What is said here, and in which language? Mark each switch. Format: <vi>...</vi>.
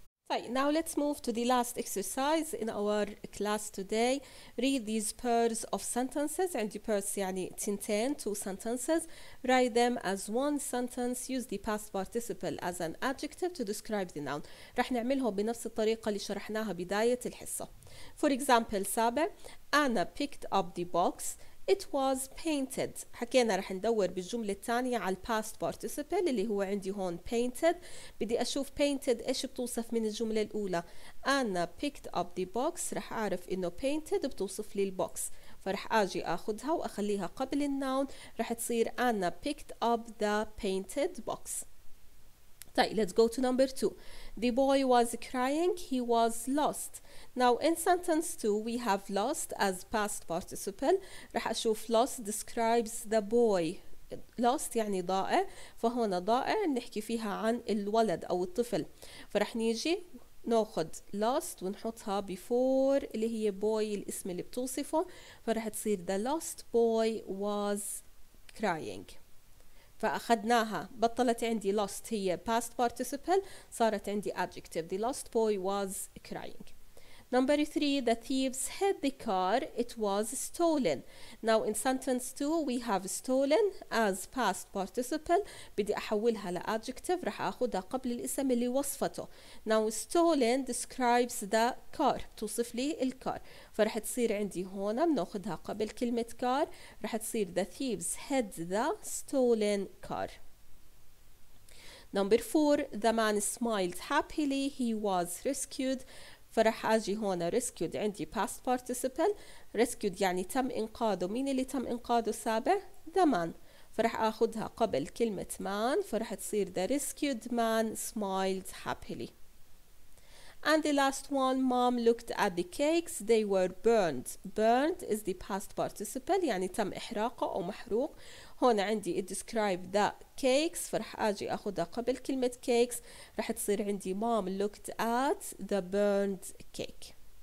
<ar>طيب</ar> <en>now let's move to the last exercise in our class today. Read these pairs of sentences.</en> <ar>عندي</ar> <en>pairs</en> <ar>يعني تنتين</ar> <en>two sentences. Write them as one sentence. Use the past participle as an adjective to describe the noun.</en> <ar>رح نعملهم بنفس الطريقة اللي شرحناها بداية الحصة.</ar> <en>For example</en> <ar>سابع</ar> <en>Anna picked up the box. It was painted.</en> <ar>حكينا رح ندور بالجملة الثانية على past participle اللي هو عندي هون painted. بدي أشوف painted إيش بتوصف من الجملة الأولى.</ar> <en>Anna picked up the box.</en> <ar>رح أعرف إنه painted بتوصف لي البوكس. فرح أجي أخذها وأخليها قبل النون. رح تصير</ar> <en>Anna picked up the painted box. طيب, let's go to number two. The boy was crying, he was lost. Now in sentence two, we have lost as past participle.</en> <ar>رح أشوف</ar> <en>lost describes the boy.</en> <ar>Lost يعني ضائع, فهنا ضائع نحكي فيها عن الولد أو الطفل. فرح نيجي نأخذ lost ونحطها before اللي هي boy الاسم اللي بتوصفه, فرح تصير</ar> <en>the lost boy was crying.</en> <ar>فأخذناها, بطلت عندي lost هي past participle, صارت عندي adjective,</ar> <en>the lost boy was crying. Number three, the thieves hid the car, it was stolen. Now in sentence two, we have stolen as past participle.</en> <ar>بدي أحولها لadjective, رح أخذها قبل الاسم اللي وصفته.</ar> <en>Now stolen describes the car,</en> <ar>توصف لي الكار. فرح تصير عندي هنا, بنأخذها قبل كلمة car, رح تصير</ar> <en>the thieves hid the stolen car. Number four, the man smiled happily, he was rescued.</en> <ar>فرح أجي هنا rescued عندي past participle, rescued يعني تم إنقاذه. مين اللي تم إنقاذه سابع؟</ar> <en>The man.</en> <ar>فرح أخذها قبل كلمة man, فرح تصير</ar> <en>the rescued man smiled happily. And the last one, mom looked at the cakes, they were burned. Burned is the past participle,</en> <ar>يعني تم إحراقه أو محروق. هنا عندي</ar> <en>it describe the cakes,</en> <ar>فرح أجي أخذها قبل كلمة cakes, رح تصير عندي</ar> <en>mom looked at the burned cake.</en>